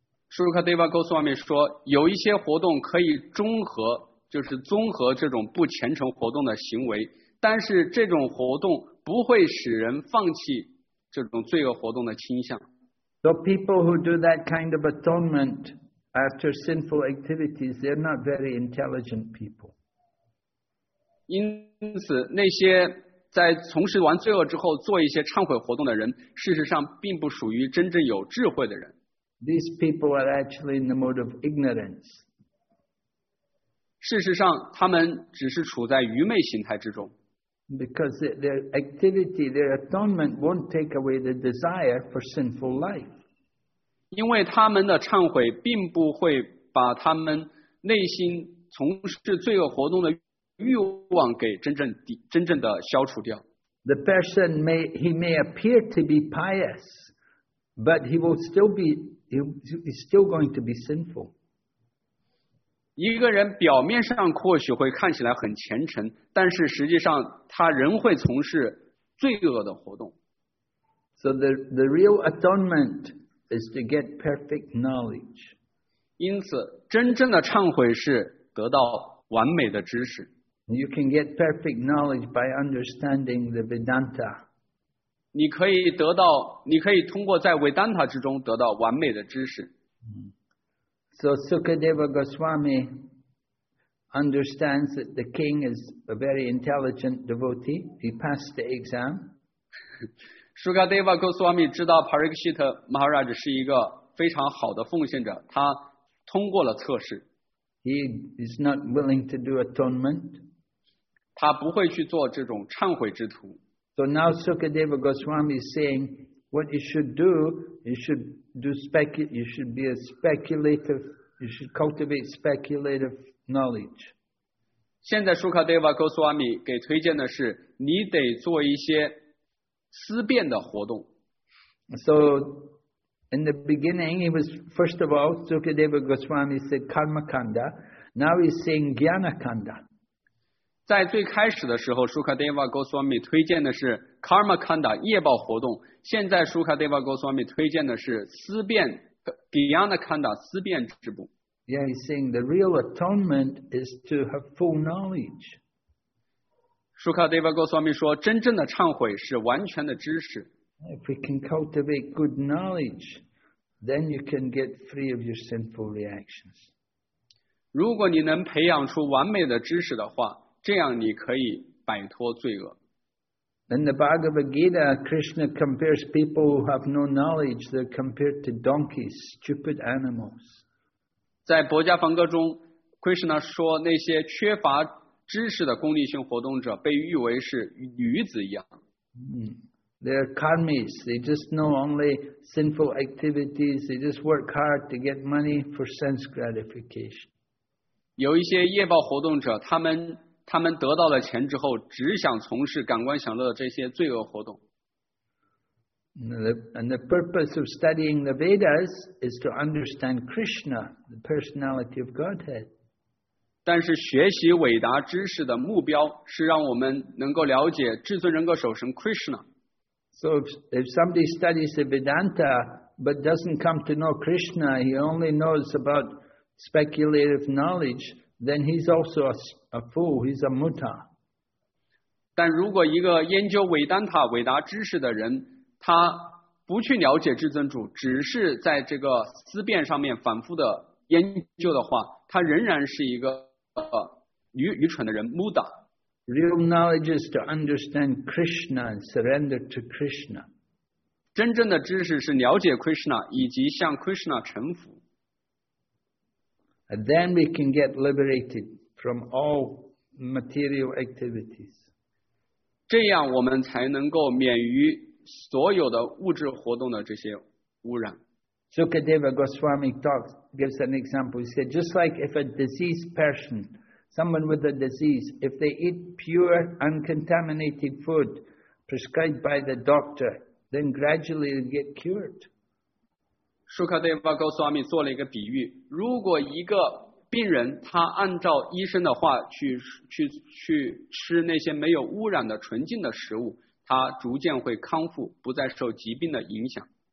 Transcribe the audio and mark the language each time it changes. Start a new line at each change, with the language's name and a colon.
Chinese: Sukadeva Goswami 说，有一些活动可以中和，就是中和这种不虔诚活动的行为，但是这种活动不会使人放弃这种罪恶活动的倾向。
English: So people who do that kind of atonement after sinful activities, they're not very intelligent people.
Chinese: 因此那些在从事完罪恶之后做一些忏悔活动的人事实上并不属于真正有智慧的人。
English: These people are actually in the mode of ignorance.
Chinese: 事实上他们只是处在愚昧形态之中。
English: Because their activity, their atonement won't take away the desire for sinful life.
Chinese: 因为他们的忏悔并不会把他们内心从事罪恶活动的欲望给真正的消除掉。
English: The person may he may appear to be pious, but he will still be he's still going to be sinful.
Chinese: 一个人表面上或许会看起来很虔诚，但是实际上他仍会从事罪恶的活动。
English: So the real atonement is to get perfect knowledge.
Chinese: 因此，真正的忏悔是得到完美的知识。
English: You can get perfect knowledge by understanding the Vedanta.
Chinese: 你可以得到，你可以通过在 Vedanta 之中得到完美的知识。
English: So Sukadeva Goswami understands that the king is a very intelligent devotee. He passed the exam.
Chinese: Sukadeva Goswami 知道 Parikshit Maharaj 是一个非常好的奉献者，他通过了测试。
English: He is not willing to do atonement.
Chinese: 他不会去做这种忏悔之徒。
English: So now Sukadeva Goswami is saying, what you should do, you should be a speculative, you should cultivate speculative knowledge.
Chinese: 现在 Sukadeva Goswami 给推荐的是，你得做一些思辨的活动。
English: So in the beginning, it was first of all Sukadeva Goswami said Karma Kanda. Now he's saying Jnana Kanda.
Chinese: 在最开始的时候 Sukadeva Goswami 推荐的是 Karma Kanda 业报活动，现在 Sukadeva Goswami 推荐的是思辨 Jnana Kanda 思辨之步。
English: Yeah, he's saying the real atonement is to have full knowledge.
Chinese: Sukadeva Goswami 说真正的忏悔是完全的知识。
English: If we can cultivate good knowledge, then you can get free of your sinful reactions.
Chinese: 如果你能培养出完美的知识的话，这样你可以摆脱罪恶。
English: In the Bhagavad Gita, Krishna compares people who have no knowledge, they're compared to donkeys, stupid animals.
Chinese: 在《薄伽梵歌》中 ，Krishna 说那些缺乏知识的功利性活动者被誉为是驴子一样。
English: They're karmis. They just know only sinful activities. They just work hard to get money for sense gratification.
Chinese: 有一些业报活动者，他们得到了钱之后，只想从事感官享乐的这些罪恶活动。
English: And the purpose of studying the Vedas is to understand Krishna, the personality of Godhead.
Chinese: 但是学习伟达知识的目标是让我们能够了解至尊人格首神 Krishna。
English: So if somebody studies the Vedanta but doesn't come to know Krishna, he only knows about speculative knowledge. Then he's also a fool. He's a muta.
Chinese: 但如果一个研究维丹塔伟达知识的人，他不去了解至尊主，只是在这个思辨上面反复的研究的话，他仍然是一个愚蠢的人 ，muta.
English: Real knowledge is to understand Krishna and surrender to Krishna.
Chinese: 真正的知识是了解 Krishna 以及向 Krishna 臣服。
English: And then we can get liberated from all material activities.
Chinese: 这样我们才能够免于所有的物质活动的这些污染。
English: Sukadeva Goswami talks, gives an example. He said, just like if a diseased person, someone with a disease, if they eat pure, uncontaminated food prescribed by the doctor, then gradually they get cured.
Chinese: Sukadeva Goswami 做了一个比喻，如果一个病人他按照医生的话去吃那些没有污染的纯净的食物，他逐渐会康复，不再受疾病的影响。